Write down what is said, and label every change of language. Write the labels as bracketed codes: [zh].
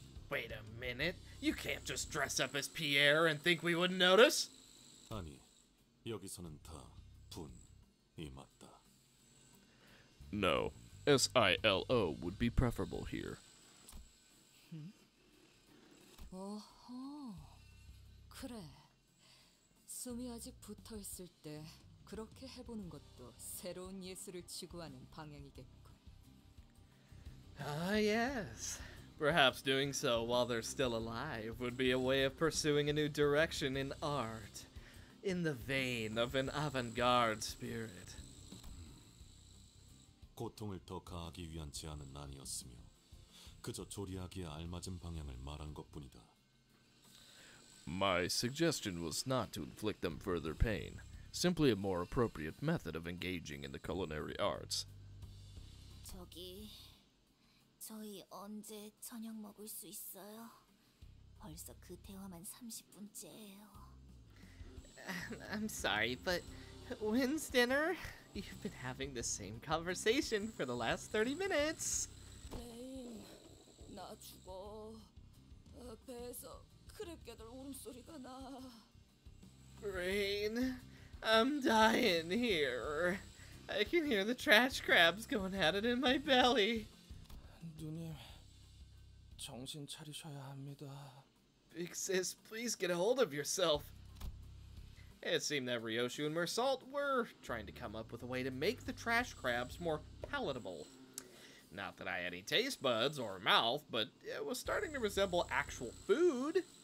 [en] Wait a minute. You can't just dress up as Pierre and think we wouldn't notice. [ko] 아니, 여기서는 다 분이 맞다. [en] No, S-I-L-O would be preferable here. Hmm? Oh-ho. [ko] 그래. 숨이 아직 붙어있을 때 그렇게 해보는 것도 새로운 예술을 추구하는 방향이겠군. [en] Ah, yes. Perhaps doing so while they're still alive would be a way of pursuing a new direction in art, in the vein of an avant-garde spirit. [ko] 고통을 더 가하기 위한 제안은 아니었으며 그저 조리하기에 알맞은 방향을 말한 것뿐이다. [en] My suggestion was not to inflict them further pain, simply a more appropriate method of engaging in the culinary arts. [ko] 저기 저희 언제 저녁 먹을 수 있어요? 벌써 그 대화만 30분째예요. [en] I'm sorry, but when's dinner? You've been having the same conversation for the last 30 minutes. [ko] Hey, 나 죽어. 배에서 크랩게들 울음소리가 나. [en] Rain, I'm dying here. I can hear the trash crabs going at it in my belly. [ko] 누님, 정신 차리셔야 합니다. [en] Big sis, please get a hold of yourself. It seemed that Ryoshu and Mersault were trying to come up with a way to make the trash crabs more palatable. Not that I had any taste buds or mouth, but it was starting to resemble actual food.